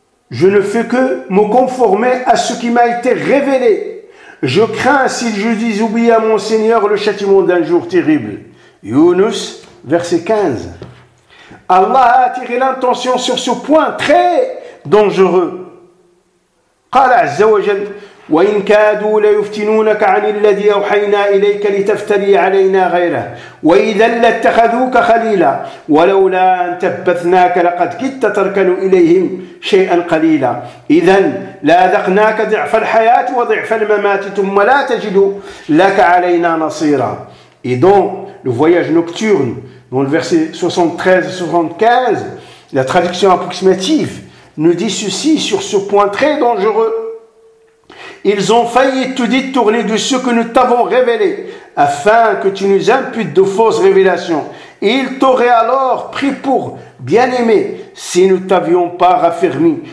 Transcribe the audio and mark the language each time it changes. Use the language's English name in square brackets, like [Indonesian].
[French] Je ne fais que me conformer à ce qui m'a été révélé. Je crains si je dis oublier à mon Seigneur le châtiment d'un jour terrible. Yunus, verset 15. Allah a attiré l'intention sur ce point très dangereux. [Arabic] قال عز وجل وإن كادوا ليفتنونك عن الذي أوحينا إليك لتفتري علينا غيره وإذا لاتخذوك خليلا ولولا أن ثبتناك لقد كدت تركن إليهم شيئا قليلا إذا لاذقناك ضعف الحياة وضعف الممات ثم لا تجد لك علينا نصيرا. [French] Et donc, le voyage nocturne Dans le verset 73-75, la traduction approximative nous dit ceci sur ce point très dangereux. Ils ont failli te détourner de ce que nous t'avons révélé, afin que tu nous imputes de fausses révélations. Et ils t'auraient alors pris pour bien-aimé, si nous ne t'avions pas raffermi.